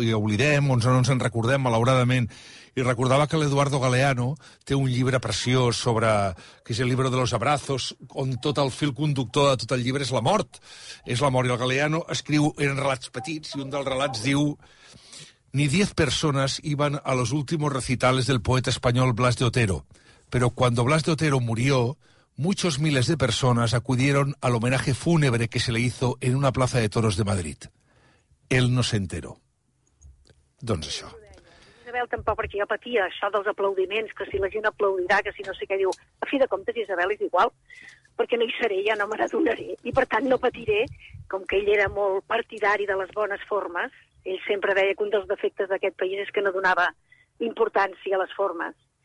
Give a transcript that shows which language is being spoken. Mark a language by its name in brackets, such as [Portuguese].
[Catalan] I oblidem, o no ens en recordem, malauradament. I recordava que l'Eduardo Galeano té un llibre preciós sobre... que és el libro de los abrazos, on tot el fil conductor de tot el llibre és la mort. És la mort. I el Galeano escriu en relats petits, i un dels relats diu... [Spanish] ni 10 personas iban a los últimos recitales del poeta español Blas de Otero. Pero cuando Blas de Otero murió, muchos miles de personas acudieron al homenaje fúnebre que se le hizo en una plaza de toros de Madrid. Él no se enteró. [Catalan] Doncs això. Isabel, tampoc, perquè jo patia això dels aplaudiments, que si la gent aplaudirà, que si no sé què, diu, a fi de comptes, Isabel, és igual, perquè no hi seré, ja no me n'adonaré, i per tant no patiré, com que ell era molt partidari de les bones formes. Ell sempre deia que un dels defectes d'aquest país és que no donava importància a les formes.